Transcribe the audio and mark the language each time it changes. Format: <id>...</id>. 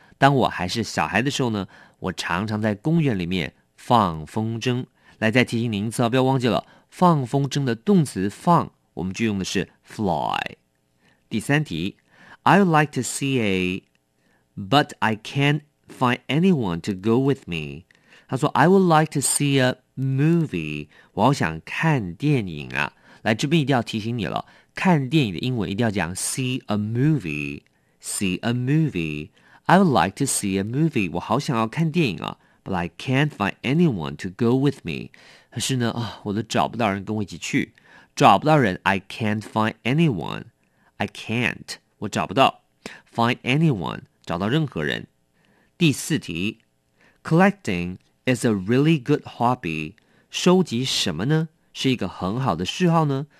<zh>当我还是小孩的时候呢，我常常在公园里面放风筝。来再提醒您一次，不要忘记了，放风筝的动词放我们就用的是 fly. 第三题，</zh> <en>I would like to see a, but I can't find anyone to go with me.</en> <zh>他说</zh> <en>I would like to see a movie.</en> <zh>我好想看电影啊。来，这边一定要提醒你了，看电影的英文一定要讲 see a movie.</zh> <en>See a movie. I would like to see a movie.</en> <zh>我好想要看电影啊。</zh> <en>But I can't find anyone to go with me.</en> <zh>可是呢，我都找不到人跟我一起去。找不到人</zh> <en>I can't find anyone. I can't,</en> <zh>我找不到。</zh> <en>Find anyone,</en> <zh>找到任何人。第四题，</zh> <en>Collecting is a really good hobby.</en> <zh>收集什么呢？是一个很好的嗜好呢？</zh>